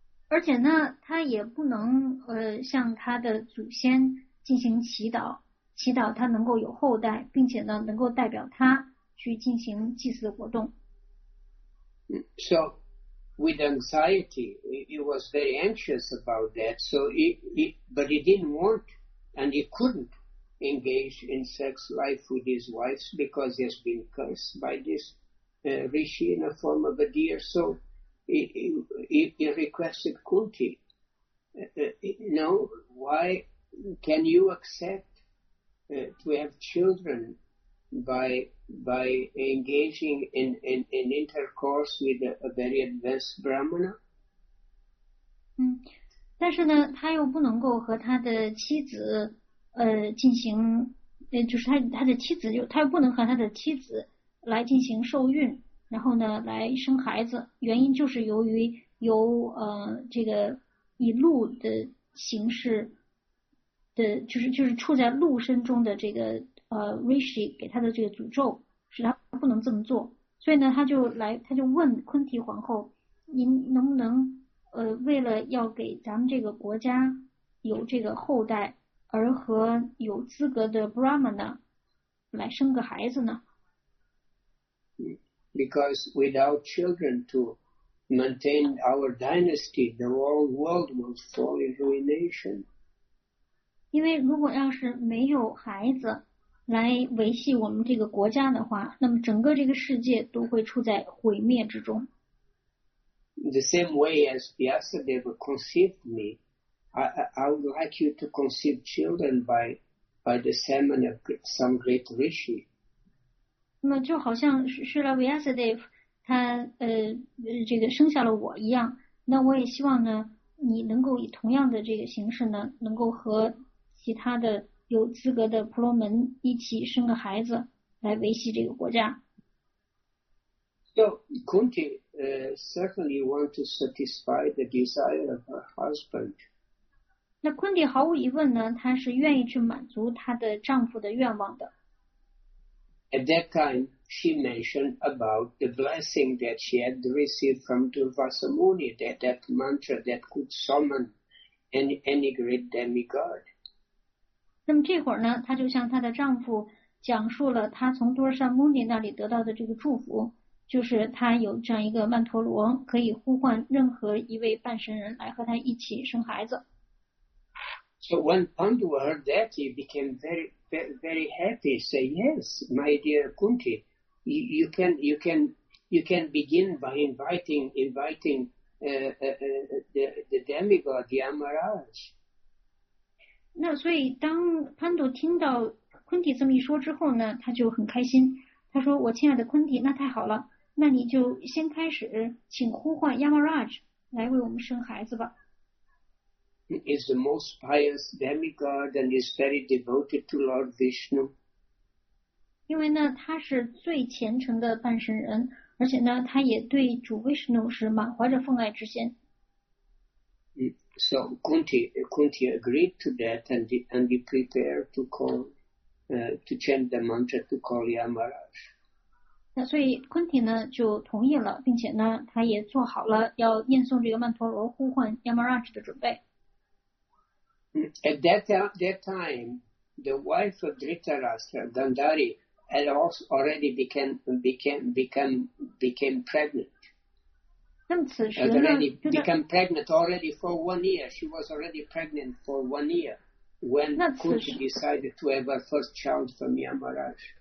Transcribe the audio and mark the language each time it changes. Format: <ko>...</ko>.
<zh>而且呢，他也不能向他的祖先进行祈祷他能够有后代，并且呢能够代表他去进行祭祀活动。</zh> <en>So. With anxiety, he was very anxious about that. So he didn't want, and he couldn't engaged in sex life with his wife because he has been cursed by this rishi in the form of a deer. So he requested Kunti. No, why can you accept to have children by engaging in intercourse with a very advanced Brahmana?</en> <zh>但是呢，他又不能够和他的妻子，进行，就是他的妻子就他又不能和他的妻子来进行受孕，然后呢来生孩子，原因就是由于由这个以鹿的形式的，就是处在鹿身中的这个Rishi 给他的这个诅咒，使他不能这么做，所以呢他就问昆提皇后，您能不能？为了要给咱们这个国家有这个后代，而和有资格的 Brahmana 来生个孩子呢</zh> <en>？Because without children to maintain our dynasty, the whole world will fall in ruination.</en> <zh>因为如果要是没有孩子来维系我们这个国家的话，那么整个这个世界都会处在毁灭之中。</zh> <en>The same way as Vyasadeva conceived me, I would like you to conceive children by the semen of some great rishi.</en> <zh>那么就好像是了 Vyasadeva 他这个生下了我一样，那我也希望呢，你能够以同样的这个形式呢，能够和其他的有资格的婆罗门一起生个孩子，来维系这个国家。</zh> <en>So, Kunti certainly want to satisfy the desire of her husband.</en> <zh>那昆蒂毫无疑问呢，她是愿意去满足她的丈夫的愿望的。</zh> <en>At that time, she mentioned about the blessing that she had received from Durvasa Muni, that mantra that could summon any great demigod.</en> <zh>那么这会儿呢，她就向她的丈夫讲述了她从多善穆尼那里得到的这个祝福。就是他有这样一个曼陀罗，可以呼唤任何一位半神人来和他一起生孩子。</zh> <en>So when Pandu heard that, he became very, very, very happy. Say, yes, my dear Kunti, you can begin by inviting the demigod Yamaraj.</en> <zh>那所以当Pandu听到昆蒂这么一说之后呢，他就很开心。他说：“我亲爱的昆蒂，那太好了。” 那你就先开始请呼唤 Yamaraj 来为我们生孩子吧。</zh> <en>He is the most pious demigod and is very devoted to Lord Vishnu.</en> <zh>因为呢他是最虔诚的半神人，而且呢他也对主 Vishnu 是满怀着奉爱之心。</zh> <en>So Kunti agreed to that and he prepared to call, to chant the mantra to call Yamaraj.</en> <zh>那所以昆提呢就同意了，并且呢他也做好了要念诵这个曼陀罗呼唤 Yamaraj 的准备。</zh> <en>At that time, the wife of Dhritarashtra, Gandhari, had also already became pregnant.</en> <zh>那么此时呢</zh> <en>already become pregnant already for 1 year. She was already pregnant for 1 year when Kunti decided to have her first child from Yamaraj.</en>